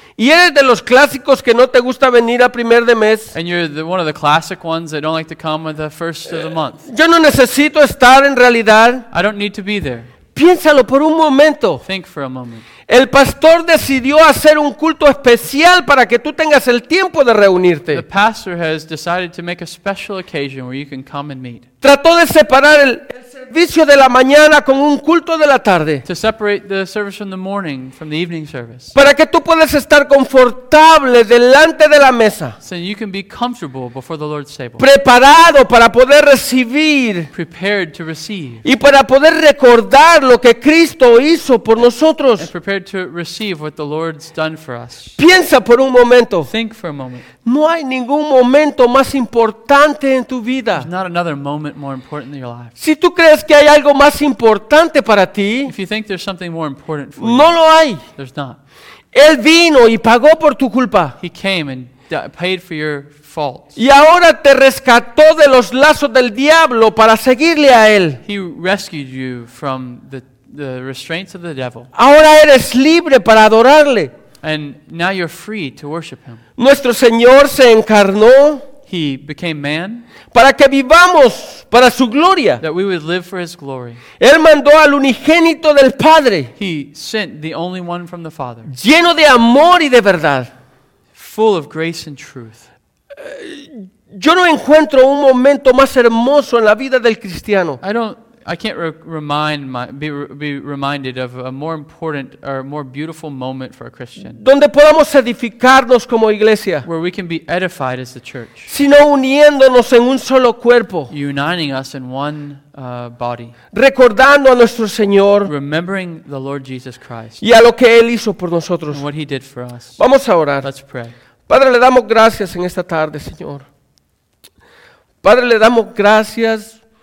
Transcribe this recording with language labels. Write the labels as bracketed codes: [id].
[es] Y eres de los clásicos que no te gusta venir a primer de mes. [en] And you're the, one of the classic ones that don't like to come with the first of the month. [es] Yo no necesito estar en realidad. [en] I don't need to be there. [es] Piénsalo por un momento. [en] Think for a moment. [es] El pastor decidió hacer un culto especial para que tú tengas el tiempo de reunirte. [en] The pastor has decided to make a special occasion where you can come and meet. [es] Trató de separar el servicio de la mañana con un culto de la tarde. [en] To separate the service from the morning from the evening service. [es] Para que tú puedas estar confortable delante de la mesa. [en] So you can be comfortable before the Lord's table. [es] Preparado para poder recibir. [en] Prepared to receive. [es] Y para poder recordar lo que Cristo hizo por nosotros. [en] And prepared to receive what the Lord's done for us. [es] Piensa por un momento. [en] Think for a moment. [es] No hay ningún momento más importante en tu vida. [en] There's not another moment more important in your life. [es] Si tú crees que hay algo más importante para ti, [en] if you think there's something more important for [es] no [en] you, [es] lo hay. [en] There's not. [es] Él vino y pagó por tu culpa. [en] He came and paid for your fault. [es] Y ahora te rescató de los lazos del diablo para seguirle a él. [en] He rescued you from the restraints of the devil. [es] Ahora eres libre para adorarle. [en] And now you're free to worship him. [es] Nuestro Señor se encarnó. [en] He became man. [es] Para que vivamos para su gloria. [en] That we would live for his glory. [es] Él mandó al unigénito del Padre. [en] He sent the only one from the Father. [es] Lleno de amor y de verdad. [en] Full of grace and truth. [es] Yo no encuentro un momento más hermoso en la vida del cristiano. [en] I can't be reminded of a more important or more beautiful moment for a Christian. [es] Donde podamos edificarnos como iglesia. [en] Where we can be edified as the church. [es] Sino uniéndonos en un solo cuerpo. [en] Uniting us in one body. [es] Recordando a nuestro Señor. [en] Remembering the Lord Jesus Christ. [es] Y a lo que Él hizo por nosotros. [en] And what He did for us. [es] Vamos a orar. [en] Let's pray. [es] Padre, le damos gracias en esta tarde, Señor. Padre, le damos gracias.